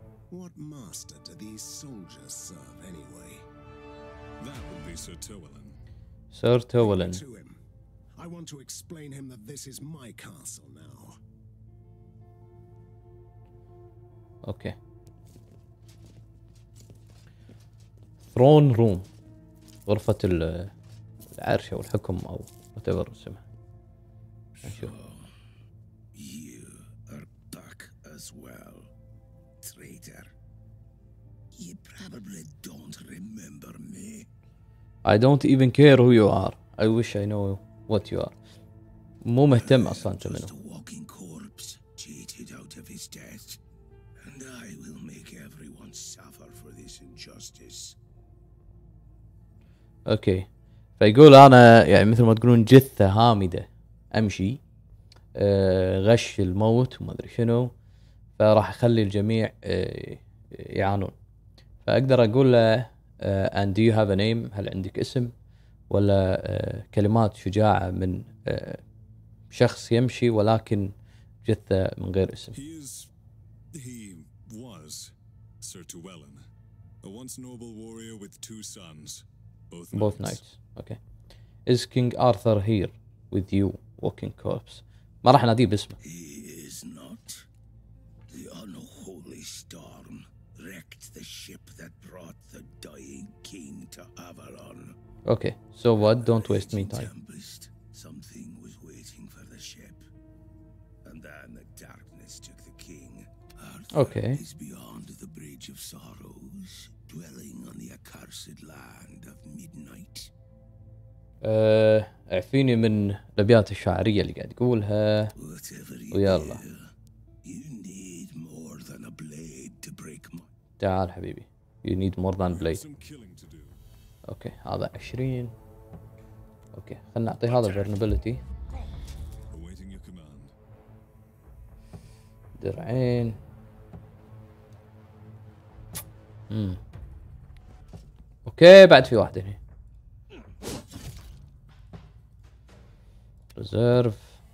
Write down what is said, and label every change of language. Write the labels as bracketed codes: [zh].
[en] What master do these soldiers serve anyway? That would be Sir Tewellyn. Sir Tewellyn. I want to explain him that this is my castle now. [ar] اوكي ثرون روم غرفة العرش او الحكم او whatever اسمها. [en] You are back as well, traitor. You probably don't remember me. I don't even care who you are. I wish I know what you are. [ar] مو مهتم اصلا انت منه. [en] Just a walking corpse cheated out of his death. And I will make everyone suffer for this injustice. Okay. [ar] فيقول انا يعني مثل ما تقولون جثة هامدة امشي غش الموت وما ادري شنو، فراح اخلي الجميع يعانون. فاقدر اقول له [en] and do you have a name، [ar] هل عندك اسم ولا كلمات شجاعة من شخص يمشي ولكن جثة من غير اسم. [en] He was Sir Tuwellen, a once noble warrior with two sons, both knights. Both knights. Okay. Is King Arthur here with you, Walking Corpse? [ar] ما راح ناديه باسمه. [en] He is not. The unholy storm wrecked the ship that brought the dying king to Avalon. Okay. So what? Don't waste me time. Tempest. Something was waiting for the ship, and then the darkness took the king. Okay. He's beyond the Bridge of Sorrows, dwelling on the accursed land of midnight. [ar] اعفيني من الابيات الشعريه اللي قاعد تقولها. ويلا. [en] You need more than a blade to break my... [ar] تعال حبيبي. [en] You need more than blade. [ar] اوكي هذا 20. اوكي خلنا نعطي هذا vulnerability. [en] Awaiting your command. [ar] درعين. اوكي بعد في واحد هنا ريزيرف.